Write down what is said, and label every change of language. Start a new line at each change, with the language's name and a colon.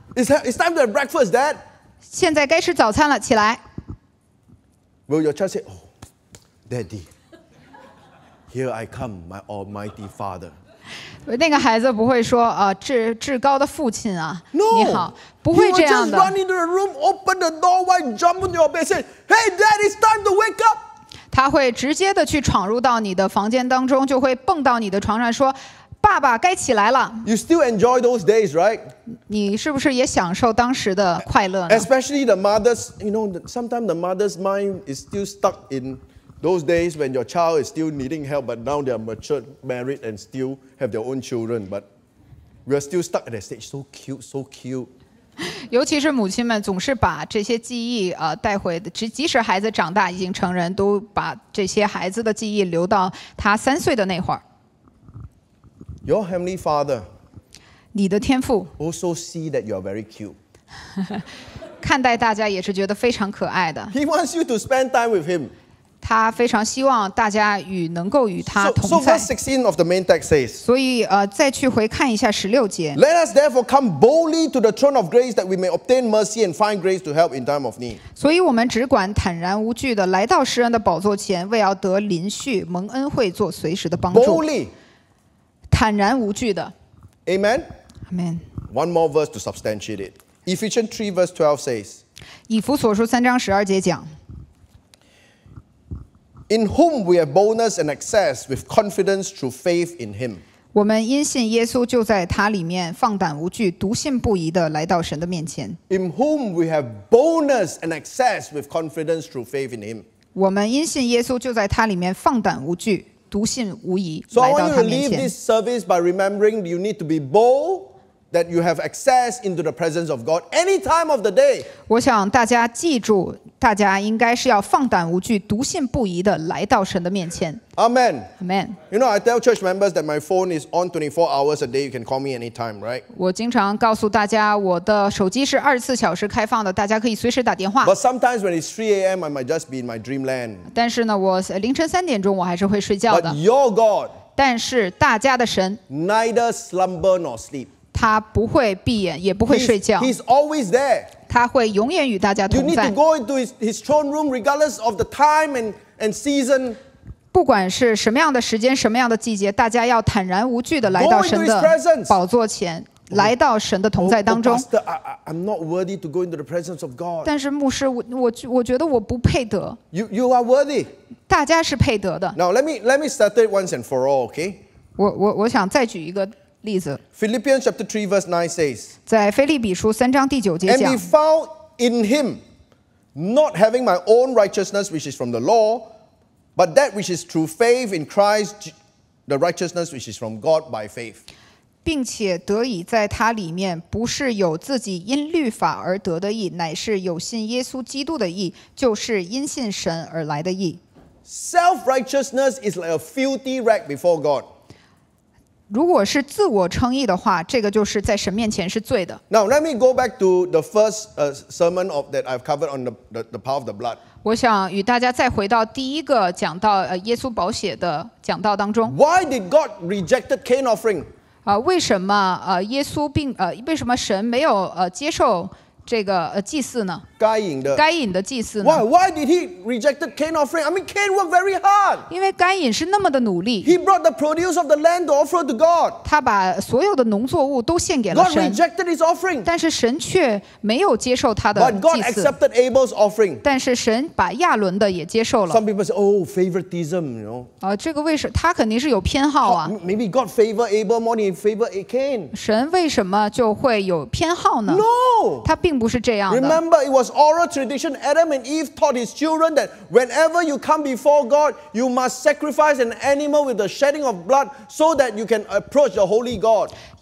English: ”It's time to have breakfast, Dad.
Chinese: 现在该吃早餐了，起来。
English: Will your child say, "Oh, Daddy"? Here I come, my Almighty Father.
Chinese: 那个孩子不会说至高的父亲啊，
English: no,
Chinese: 你好，不会这样的。
English: He will just run into the room, open the door wide, jump into your bed, say, "Hey, Dad, it's time to wake up."
Chinese: 他会直接的去闯入到你的房间当中，就会蹦到你的床上说，爸爸该起来了。
English: You still enjoy those days, right?
Chinese: 你是不是也享受当时的快乐呢？
English: Especially the mothers, you know, sometimes the mother's mind is still stuck in. Those days when your child is still needing help, but now they are matured, married, and still have their own children. But we are still stuck at that stage. So cute, so cute.
Chinese: 尤其是母亲们总是把这些记忆带回，即使孩子长大已经成人，都把这些孩子的记忆留到他三岁的那会儿。
English: Your heavenly father,
Chinese: 你的天父
English: also see that you are very cute.
Chinese: 看待大家也是觉得非常可爱的。
English: He wants you to spend time with him.
Chinese: 他非常希望大家与能够与他同在。
English: So verse 16 of the main text says.
Chinese: 所以再去回看一下十六节。
English: Let us therefore come boldly to the throne of grace that we may obtain mercy and find grace to help in time of need.
Chinese: 所以我们只管坦然无惧的来到施恩的宝座前，为要得临恤蒙恩惠，做随时的帮助。
English: Boldly,
Chinese: 坦然无惧的。
English: Amen. Amen. One more verse to substantiate it. Ephesians 3 verse 12 says.
Chinese: 以弗所书三章十二节讲。
English: In whom we have boldness and access with confidence through faith in Him.
Chinese: 我们因信耶稣，就在他里面放胆无惧、笃信不疑地来到神的面前。
English: In whom we have boldness and access with confidence through faith in Him.
Chinese: 我们因信耶稣，就在他里面放胆无惧、笃信无疑来到他面前。
English: So I want you to leave this service by remembering you need to be bold. That you have access into the presence of God any time of the day.
Chinese: 我想大家记住，大家应该是要放胆无惧、笃信不疑的来到神的面前。
English: Amen. Amen. You know, I tell church members that my phone is on 24 hours a day. You can call me anytime, right?
Chinese: 我经常告诉大家，我的手机是二十四小时开放的，大家可以随时打电话。
English: But sometimes when it's 3 a.m., I might just be in my dreamland.
Chinese: 但是呢，我凌晨三点钟我还是会睡觉的。
English: But your God,
Chinese: 但是大家的神
English: neither slumber nor sleep.
Chinese: 他不会闭眼，也不会睡觉。
English: He's always there.
Chinese: 他会永远与大家同在。
English: You need to go into his throne room regardless of the time and season.
Chinese: 不管是什么样的时间，什么样的季节，大家要坦然无惧地来到神的宝座前，来到神的同在当中。
English: Pastor, I'm not worthy to go into the presence of God.
Chinese: 但是牧师，我觉得我不配得。
English: You are worthy.
Chinese: 大家是配得的。
English: Now let me start it once and for all, okay?
Chinese: 我想再举一个。
English: Philippians chapter 3 verse 9 says,
Chinese: 在腓立比书三章第九节讲
English: And be found in him, not having my own righteousness which is from the law, but that which is through faith in Christ, the righteousness which is from God by faith.
Chinese: 并且得以在他里面不是有自己因律法而得的义，乃是有信耶稣基督的义，就是因信神而来的义。
English: Self-righteousness is like a filthy rag before God.
Chinese: 如果是自我称义的话，这个就是在神面前是罪的。
English: Now let me go back to the first sermon of that I've covered on the power of the blood.
Chinese: 我想与大家再回到第一个讲到耶稣宝血的讲道当中。
English: Why did God reject Cain's offering?
Chinese: 为什么耶稣并为什么神没有接受这个祭祀呢该隐的祭司呢?
English: Why did he reject Cain's offering? I mean, Cain worked very hard.
Chinese: 因为该隐是那么的努力。
English: He brought the produce of the land to offer to God.
Chinese: 他把所有的农作物都献给了神。
English: God rejected his offering.
Chinese: 但是神却没有接受他的祭司。
English: But God accepted Abel's offering.
Chinese: 但是神把亚伦的也接受了。
English: Some people say, oh, favoritism, you know.
Chinese: 这个为什么他肯定是有偏好啊。
English: Maybe God favored Abel more than he favored Cain.
Chinese: 神为什么就会有偏好呢?
English: No!
Chinese: 他并不是这样的。
English: Remember, it was oral tradition. Adam and Eve taught his children that whenever you come before God, you must sacrifice an animal with the shedding of blood so that you can approach the holy God.